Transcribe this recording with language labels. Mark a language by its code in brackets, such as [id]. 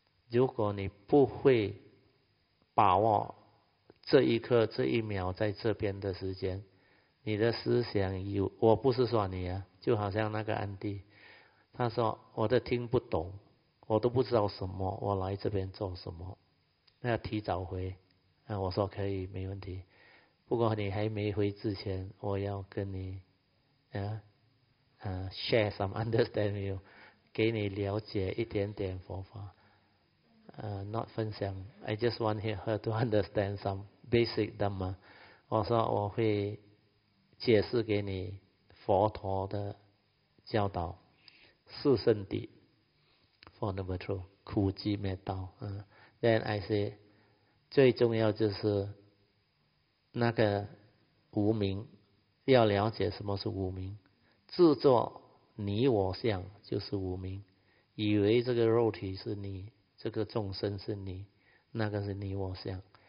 [zh] 如果你不会把握这一刻这一秒在这边的时间，你的思想有，我不是说你啊，就好像那个安迪，他说我都听不懂，我都不知道什么，我来这边做什么，那要提早回，那我说可以没问题，不过你还没回之前，我要跟你 [en] share some understand you， [zh] 给你了解一点点佛法。 [en] Not 分享 I just want her to understand some basic Dhamma。 [zh] 我说我会解释给你佛陀的教导四圣谛 [en] for number two [zh] 苦集灭道。 [en] Then I say [zh] 最重要就是那个无明，要了解什么是无明，自作你我相就是无明，以为这个肉体是你，这个众生是你，那个是你我相。